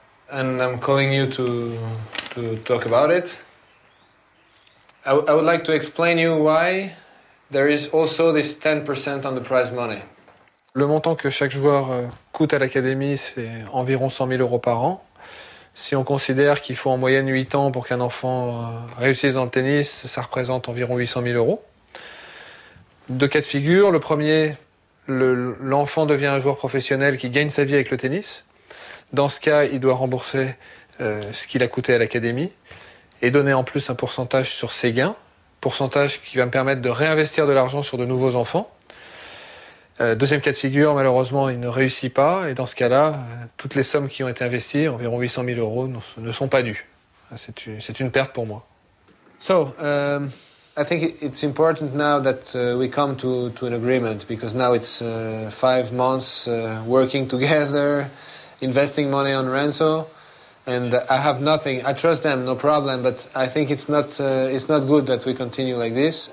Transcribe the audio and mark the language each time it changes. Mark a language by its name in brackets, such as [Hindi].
[English] And I'm calling you to talk about it. I would like to explain you why there is also this 10% on the prize money. [French] Le montant que chaque joueur coûte à l'académie, c'est environ 100 000 euros par an. Si on considère qu'il faut en moyenne 8 ans pour qu'un enfant réussisse dans le tennis, ça représente environ 800 000 euros. Deux cas de figure. Le premier, l'enfant devient un joueur professionnel qui gagne sa vie avec le tennis. Dans ce cas, il doit rembourser ce qu'il a coûté à l'académie et donner en plus un pourcentage sur ses gains, pourcentage qui va me permettre de réinvestir de l'argent sur de nouveaux enfants. Deuxième cas de figure, malheureusement, il ne réussit pas et dans ce cas-là, toutes les sommes qui ont été investies, environ 800 000 euros, ne sont pas dues. C'est une perte pour moi. [English] So, I think it's important now that we come to an agreement because now it's 5 months working together. Investing money on Renzo, and I have nothing. I trust them, no problem. But I think it's not good that we continue like this.